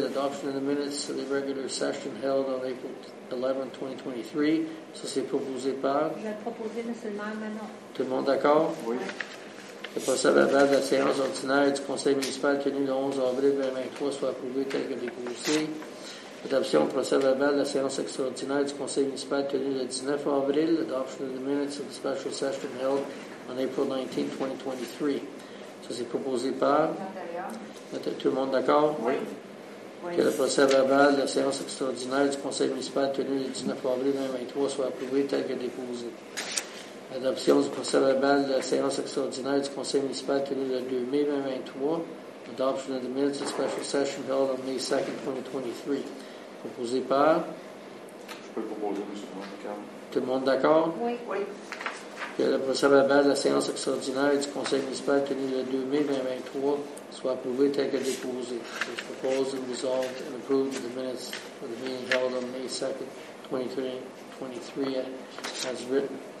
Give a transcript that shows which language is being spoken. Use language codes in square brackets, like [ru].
[en] L'adoption of the minutes of the regular session held on April 11, 2023. [fr] Ça, c'est proposé par? Je l'ai proposé, M. le maire Manon. Tout le monde d'accord? Oui. Le procès-verbal de la séance ordinaire du conseil municipal tenu le 11 avril 2023 soit approuvé tel que déposé. Adoption procès-verbal de la séance extraordinaire du conseil municipal tenu le 19 avril. [en] Adoption of the minutes of the special session held on April 19, 2023. [fr] Ça, c'est proposé par? Natalia. Tout le monde d'accord? Oui. Que le procès-verbal de la séance extraordinaire du conseil municipal tenu le 19 avril 2023 soit approuvé tel que déposé. Adoption du procès-verbal de la séance extraordinaire du conseil municipal tenu le 2 mai 2023. [en] Adoption of the minutes of special session held on May 2, 2023. [fr] Proposé par? Je peux proposer, M. Montecarlo. Tout le monde d'accord? Oui. Que le procès-verbal de la séance extraordinaire du conseil municipal tenu le 2 mai 2023 soit approuvé tel que déposé. [en] It's proposed and resolved and approved in the minutes of the meeting held on May 2, 2023, as written.